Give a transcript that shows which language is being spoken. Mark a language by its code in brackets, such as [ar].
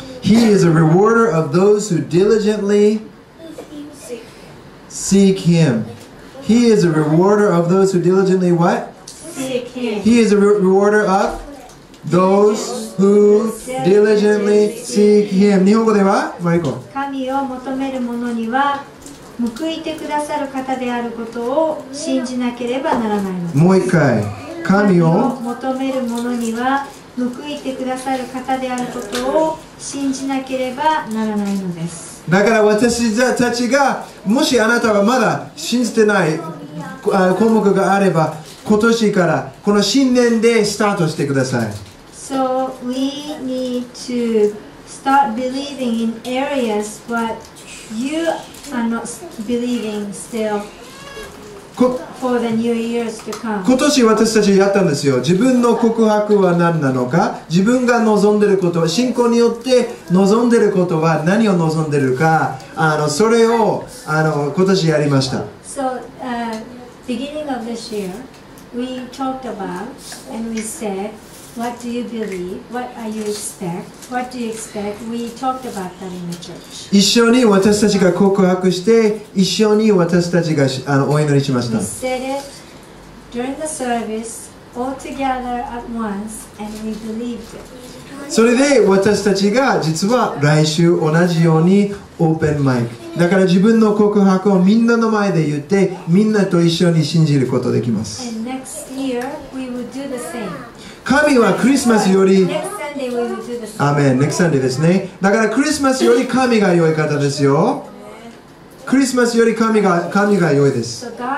[en] He is a rewarder of those who diligently seek Him. He is a rewarder of those who diligently what? Seek Him. He is a rewarder ofThose who diligently seek Him. [ja] 日本語では、マリコ。神を求める者には報いてくださる方であることを信じなければならないの。もう一回、神を求める者には報いてくださる方であることを信じなければならないのです。だから私たちが、もしあなたはまだ信じてない項目があれば、今年からこの新年でスタートしてください。 [en] So we need to start believing in areas what you are not believing still for the new years to come. [ja] 今年私たちやったんですよ。自分の告白は何なのか、自分が望んでることは、信仰によって望んでることは何を望んでるか、それを今年やりました。 [en] So, beginning of this year, we talked about and we said,What do you believe? What are you expect? What do you expect? We talked about that in the church. [ja] 一緒に私たちが告白して、一緒に私たちがお祈りしました。 [en] We said it during the service, all together at once, and we believed it. [ja] それで私たちが実は来週同じようにオープンマイク。だから自分の告白をみんなの前で言って、みんなと一緒に信じることができます。 [en] And next year, we will do the same. [ja] 神はクリスマスより、アメン、ネクサンデーですね。だからクリスマスより神が良い方ですよ。クリスマスより神が良いです。